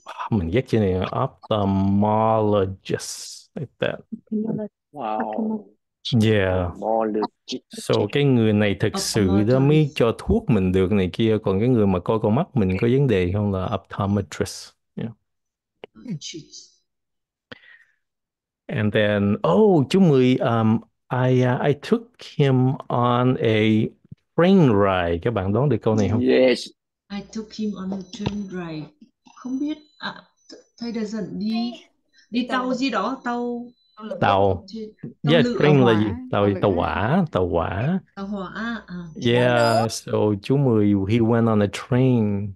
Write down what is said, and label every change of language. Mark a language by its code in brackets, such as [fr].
[vi] Mình ghét chữ này, ophthalmologist, [en] like that. Wow. Yeah. [vi] So cái người này thật sự đó mới cho thuốc mình được này kia, còn cái người mà coi con mắt mình có vấn đề không là optometrist. [en] And then, chú Mười, I took him on a train ride. [vi] Các bạn đoán được câu này không? [en] Yes. I took him on a train ride. [vi] Không biết, thầy đã dẫn đi tàu gì đó, tàu. Tàu. [en] Yeah, [vi] train là gì? Tàu hỏa. Tàu hỏa. [en] Yeah, so chú Mười, he went on a train.